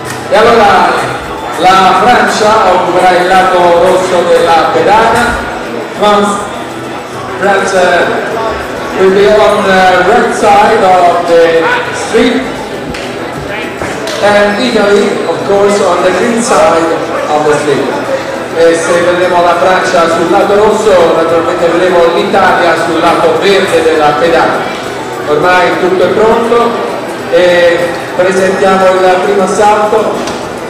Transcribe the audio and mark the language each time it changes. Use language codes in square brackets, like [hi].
[it] E allora la Francia occuperà il lato rosso della pedana. [en] France will be on the red side of the street. And Italy, of course, on the green side of the street. [it] E se vedremo la Francia sul lato rosso, naturalmente vedremo l'Italia sul lato verde della pedana. Ormai tutto è pronto e presentiamo il primo salto.